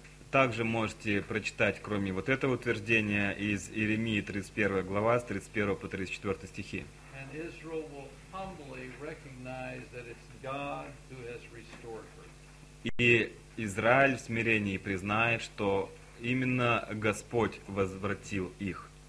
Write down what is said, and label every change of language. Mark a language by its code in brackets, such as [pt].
[ru] Также можете прочитать, кроме вот этого утверждения, из Иеремии 31 глава, с 31 по 34 стихи. [en] And Israel will humbly recognize that it's God who has restored her. [ru] И Израиль в смирении признает, что именно Господь возвратил их.